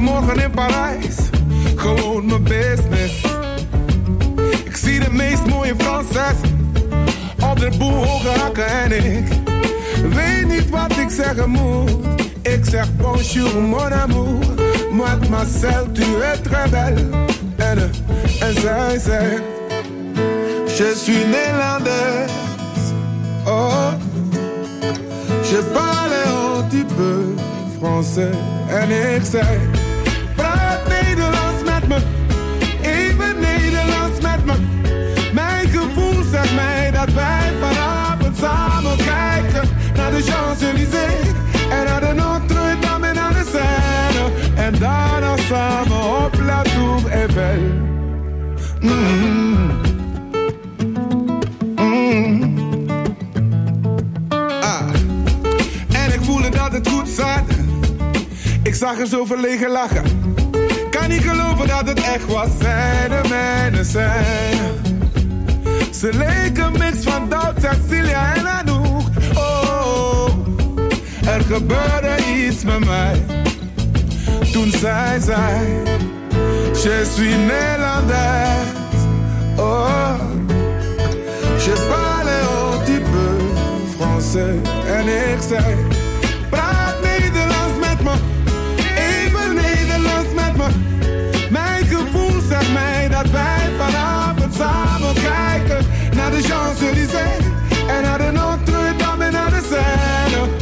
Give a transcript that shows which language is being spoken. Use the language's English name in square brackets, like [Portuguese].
[Dutch] in Parijs, gewoon mijn business. Ik zie de meest mooie Franses op de boel hoge hakken en ik weet niet wat ik zeggen moet. Ik zeg [French] bonjour mon amour, mademoiselle, tu es très belle. [Dutch] En zij zegt, [French] je suis Nederlandse. Oh, je parle un petit peu français. [Dutch] En ik zei, praat Nederlands met me, even Nederlands met me. Mijn gevoel zegt mij dat wij vanavond samen kijken naar de Champs-Élysées en naar de Notre-Dame en naar de Seine. En daarna samen op La Tour Eiffel. En ik voelde dat het goed zat. Ik zag er zo verlegen lachen. Kan niet geloven dat het echt was. Zij de mijne zijn. Ze leek een mix van Doubt, Cecilia en Anouk. Oh, oh, oh, er gebeurde iets met mij. Toen zij zei, [French] je suis Nederlander. Oh, je parle un petit peu français. [Dutch] En ik zei, praat Nederlands met me, even Nederlands met me. Mijn gevoel zegt mij dat wij vanavond samen kijken naar de Champs-Élysées en naar de Notre-Dame en naar de Seine.